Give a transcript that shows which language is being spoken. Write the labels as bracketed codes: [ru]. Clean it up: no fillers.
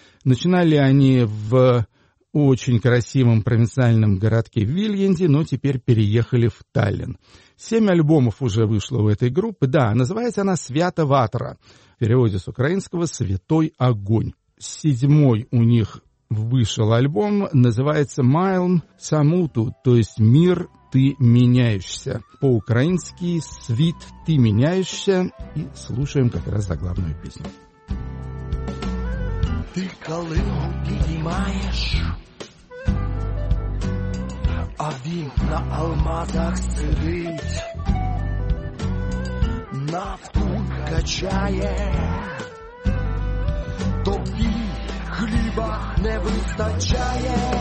[ru] Начинали они в очень красивом провинциальном городке Вильянде, но теперь переехали в Таллин. 7 альбомов уже вышло у этой группы. Да, называется она «Свята Ватра», в переводе с украинского «Святой Огонь». 7-й у них вышел альбом, называется «Майлм Самуту», то есть «Мир, ты меняешься». По-украински [uk] «Світ, ти міняєшся». [ru] И слушаем как раз заглавную песню. [uk] Ти калину піднімаєш, а він на алмазах сидить. вистачає, тобі хліба не вистачає.